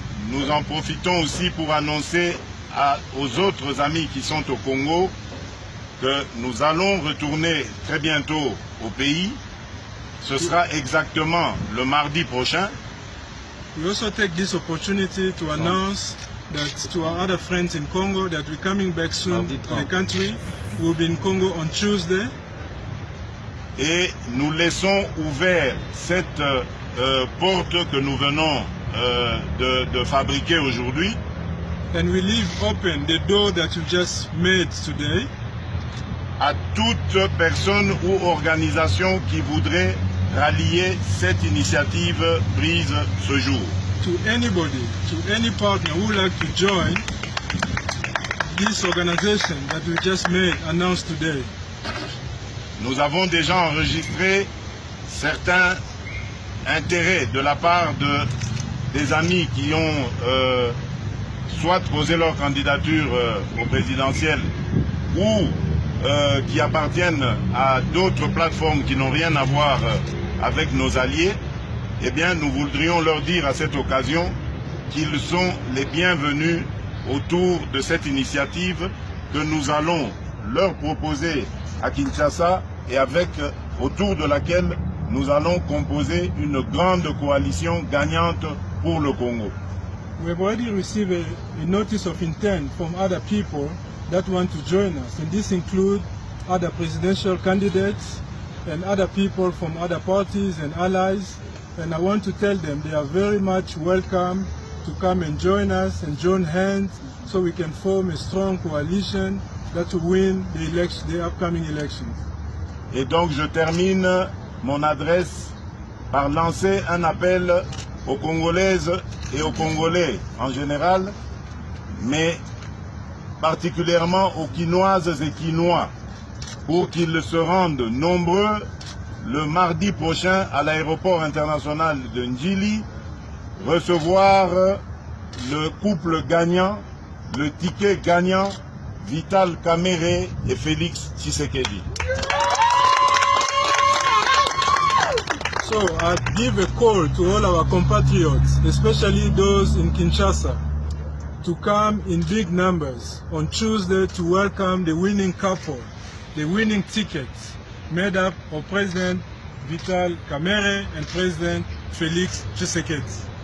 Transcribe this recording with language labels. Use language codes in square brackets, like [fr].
[fr] Nous en profitons aussi pour annoncer aux autres amis qui sont au Congo que nous allons retourner très bientôt au pays. Ce sera exactement le mardi prochain. [en] We also take this opportunity to announce that to our other friends in Congo that we're coming back soon to the country. We'll be in Congo on Tuesday. [fr] Et nous laissons ouvert cette porte que nous venons de fabriquer aujourd'hui. [en] And we leave open the door that you just made today. [fr] À toute personne ou organisation qui voudrait rallier cette initiative prise ce jour. [en] To anybody, to any partner who would like to join this organization that we just made announced today. [fr] Nous avons déjà enregistré certains intérêts de la part des amis qui ont soit posé leur candidature au présidentiel ou qui appartiennent à d'autres plateformes qui n'ont rien à voir avec nos alliés. Eh bien, nous voudrions leur dire à cette occasion qu'ils sont les bienvenus autour de cette initiative que nous allons leur proposer à Kinshasa et avec autour de laquelle nous allons composer une grande coalition gagnante pour le Congo. [en] We have already received a notice of intent from other people that want to join us, and this includes other presidential candidates and other people from other parties and allies. And I want to tell them they are very much welcome to come and join us and join hands so we can form a strong coalition that will win the upcoming elections. [fr] Et donc je termine mon adresse par lancer un appel aux Congolaises et aux Congolais en général, mais particulièrement aux Quinoises et Quinois, pour qu'ils se rendent nombreux le mardi prochain à l'aéroport international de Ndjili, recevoir le couple gagnant, le ticket gagnant, Vital Kamerhe et Félix Tshisekedi. [en] So I give a call to all our compatriots, especially those in Kinshasa, to come in big numbers on Tuesday to welcome the winning couple, the winning ticket, made up of President Vital Kamerhe and President Félix Tshisekedi.